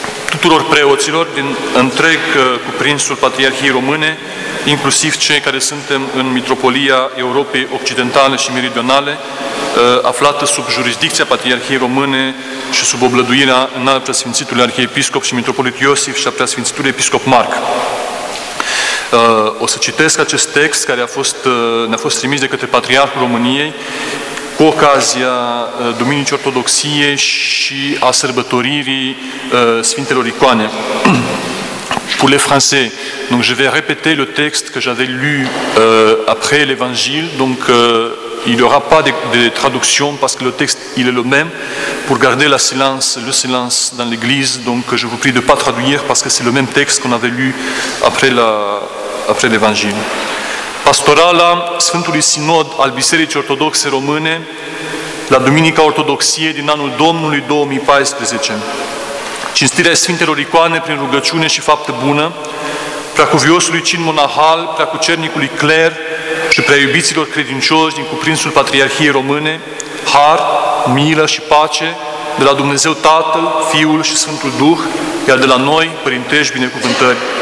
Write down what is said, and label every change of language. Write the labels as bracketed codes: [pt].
[ro] tuturor preoților din întreg cuprinsul Patriarhiei Române, inclusiv cei care suntem în Mitropolia Europei Occidentale și Meridionale, aflată sub jurisdicția Patriarhiei Române și sub oblăduirea Înalt Preasfințitului Arhiepiscop și Mitropolit Iosif și a Preasfințitului Episcop Marc. O să citesc acest text care ne-a fost trimis de către Patriarhul României cu ocazia Duminicii Ortodoxiei și a sărbătoririi Sfintelor Icoane. [fr] Pour les Français, donc je vais répéter le texte que j'avais lu après l'Évangile, donc il n'y aura pas de traduction parce que le texte il est le même. Pour garder le silence dans l'Église, donc je vous prie de ne pas traduire parce que c'est le même texte qu'on avait lu après l'Évangile. [ro] Pastorala Sfântului Sinod al Bisericii Ortodoxe Române la Duminica Ortodoxiei din anul Domnului 2014. Cinstirea Sfintelor Icoane prin rugăciune și faptă bună, preacuviosului cin monahal, preacucernicului cler și preaiubiților credincioși din cuprinsul Patriarhiei Române, har, milă și pace de la Dumnezeu Tatăl, Fiul și Sfântul Duh, iar de la noi, părintești, binecuvântări.